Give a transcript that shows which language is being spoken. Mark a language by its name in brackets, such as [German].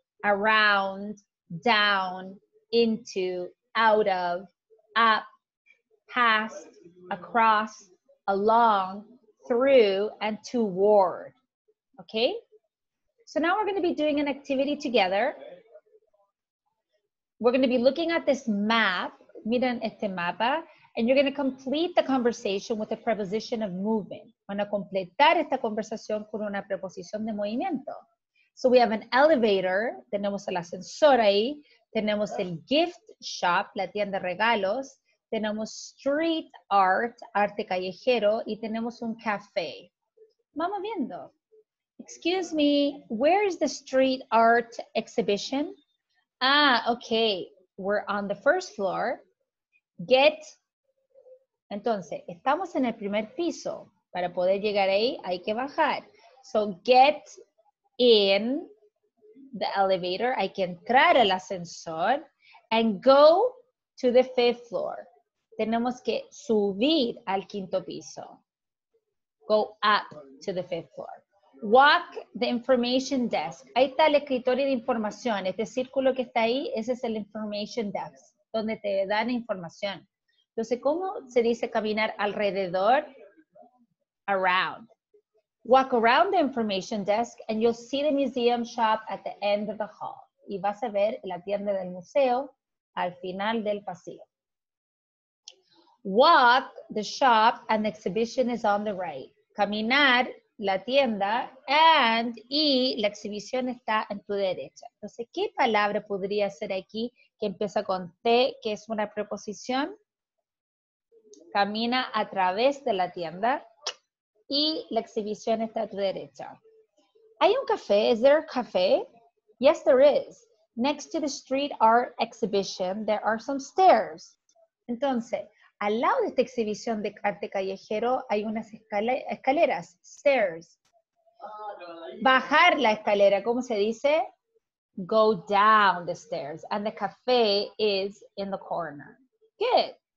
[English] Around, down, into, out of, up, past, across, along, through, and toward. Okay? So now we're going to be doing an activity together. We're going to be looking at this map, [Spanish] miren este mapa, [English] and you're going to complete the conversation with a preposition of movement. [Spanish] Van a completar esta conversación con una preposición de movimiento. [English] So we have an elevator, [Spanish] tenemos el ascensor ahí, tenemos el [English] gift shop, [Spanish] la tienda de regalos, tenemos [English] street art, [Spanish] arte callejero, y tenemos un café. Vamos viendo. [English] Excuse me, where is the street art exhibition? Ah, okay, we're on the first floor. Get, [Spanish] entonces, estamos en el primer piso. Para poder llegar ahí, hay que bajar. [English] So get in the elevator, [Spanish] hay que entrar al ascensor, [English] and go to the fifth floor. [Spanish] Tenemos que subir al quinto piso. [English] Go up to the fifth floor. Walk the information desk. [Spanish] Ahí está el escritorio de información. Este círculo que está ahí, ese es el information desk, donde te dan información. Entonces, ¿cómo se dice caminar alrededor? Around. [English] Walk around the information desk and you'll see the museum shop at the end of the hall. [Spanish] Y vas a ver la tienda del museo al final del pasillo. [English] Walk the shop and the exhibition is on the right. [Spanish] Caminar la tienda and y la exhibición está en tu derecha. Entonces, ¿qué palabra podría ser aquí que empieza con T, que es una preposición? Camina a través de la tienda y la exhibición está a tu derecha. ¿Hay un café? [English] Is there a café? Yes, there is. Next to the street art exhibition, there are some stairs. [Spanish] Entonces, al lado de esta exhibición de arte callejero hay unas escaleras, stairs. Bajar la escalera, ¿cómo se dice? [English] Go down the stairs. And the cafe is in the corner. Good.